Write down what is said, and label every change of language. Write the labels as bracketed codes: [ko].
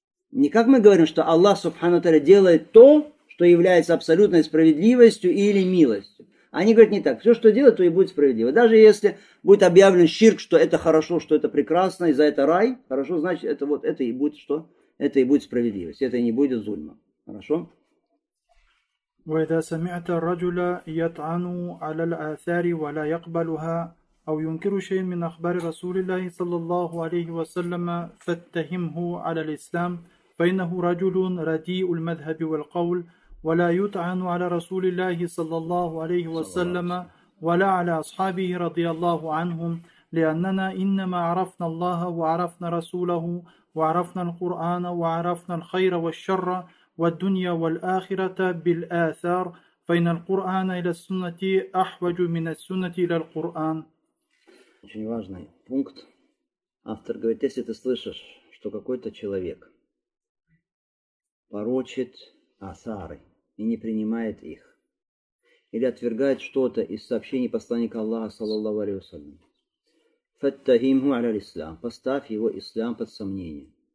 [ru] Не как мы говорим, что Аллах Субхану Тааля делает то, что является абсолютной справедливостью или милостью. Они говорят не так. Все, что делают, то и будет справедливо. Даже если будет объявлен ширк, что это хорошо, что это прекрасно, и за это рай, хорошо, значит, это вот это и будет что? Это и будет справедливость. Это и не будет зульма. Хорошо? [ar] وَإِذَا سَمِعْتَ الرَّجُلَ يَطْعَنُ عَلَى الْآثَارِ وَلَا يَقْبَلُهَا أَوْ يُنْكِرُ شَيْءٍ مِنْ أَخْبَارِ رَسُولِ اللَّهِ صَلَّى اللَّهُ عَلَيْهِ وَسَلَّمَ فَاتَّهِمْهُ عَلَى الْإِسْلَامِ فَإِنَّهُ رَجُلٌ رَدِيءُ الْمَذْهَبِ وَالْقَوْلِ ولا يطعن على رسول الله صلى الله عليه وسلم ولا على أصحابه رضي الله عنهم لأننا إنما عرفنا الله وعرفنا رسوله وعرفنا القرآن وعرفنا الخير والشر والدنيا والآخرة بالآثار فإن القرآن إلى السنة أحوج من السنة إلى القرآن. [ru] Очень важный пункт. Автор говорит, если ты слышишь, что какой-то человек порочит асары и не принимает их, или отвергает что-то из сообщений посланника Аллаха, саллаллаху алейхи ва саллям, [ar] фаттахимху аляль ислам, [ru] поставь его ислам под сомнение.